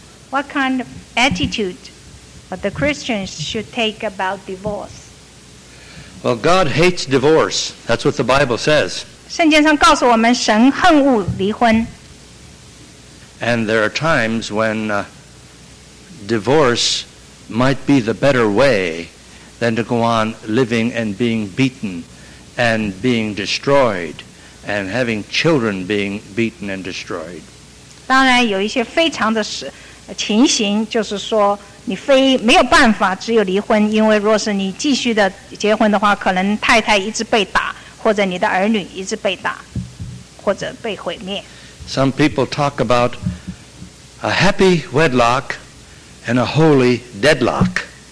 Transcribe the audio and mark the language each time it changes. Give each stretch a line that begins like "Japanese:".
English: What kind of attitude the Christians should take about divorce? Well, God hates divorce. That's what the Bible says.
Chinese: 圣经上告诉我们神恨恶离婚
English: And there are times when divorce might be the better way than to go on living and being beaten and being destroyed and having children being beaten and destroyed.
Chinese: 当然有一些非常的情形就是说你没有办法只有离婚因为若是你继续的结婚的话可能太太一直被打
English: Some people talk about a happy wedlock and a holy deadlock.